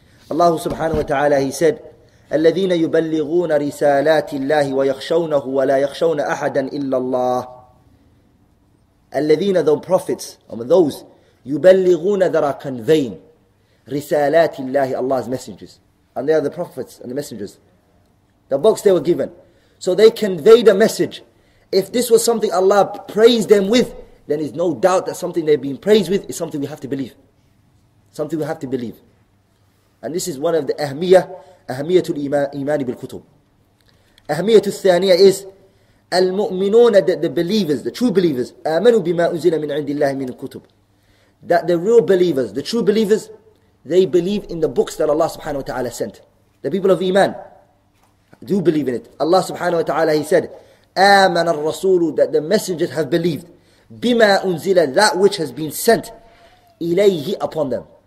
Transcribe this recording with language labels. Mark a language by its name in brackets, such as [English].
[Arabic] Allah subhanahu wa ta'ala, He said, الَّذِينَ يُبَلِّغُونَ رِسَالَاتِ اللَّهِ وَيَخْشَوْنَهُ وَلَا يَخْشَوْنَ أَحَدًا إِلَّا اللَّهِ الَّذِينَ [English] those prophets, among those, [Arabic] يُبَلِّغُونَ [English] that are conveying [Arabic] رِسَالَاتِ اللَّهِ [English] Allah's messengers. And they are the prophets and the messengers. The books they were given. So they conveyed a message. If this was something Allah praised them with, then there's no doubt that something they've been praised with is something we have to believe. Something we have to believe. And this is one of the [Arabic] أهميةُ الإيمان بالكتب. أهميةُ الثانية is المؤمنون, [English] the believers, the true believers, [Arabic] آمنوا بما أنزل من عند الله من الكتب. [English] that the real believers, the true believers, they believe in the books that Allah subhanahu wa ta'ala sent. The people of Iman do believe in it. Allah subhanahu wa ta'ala, he said, [Arabic] آمَنَ الرَّسُولُ, [English] that the messengers have believed, [Arabic] بِمَا أُنزِلَ, [English] that which has been sent, إِلَيْهِ, upon them.